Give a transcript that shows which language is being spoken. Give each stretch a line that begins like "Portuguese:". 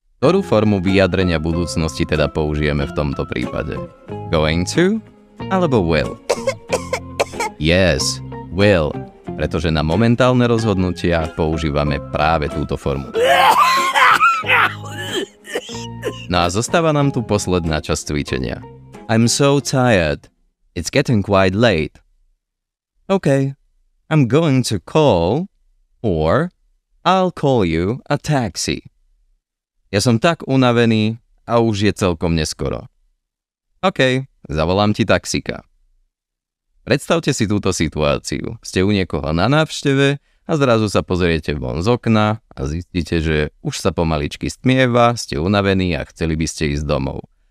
Slovak: Ktorú formu vyjadrenia budúcnosti teda použijeme v tomto prípade? Going to? Alebo will?
English: Yes, will.
Slovak: Pretože na momentálne rozhodnutia používame práve túto formu. No a zostáva nám tu posledná časť cvičenia.
English: I'm so tired. It's getting quite late. Okay, I'm going to call or I'll call you a taxi.
Slovak: Ja som tak unavený a už je celkom neskoro. Okay, zavolám ti taxika. Predstavte si túto situáciu. Ste u niekoho na návšteve a zrazu sa pozriete von z okna a zistíte, že už sa pomaličky stmieva, ste unavení a chceli by ste ísť domov.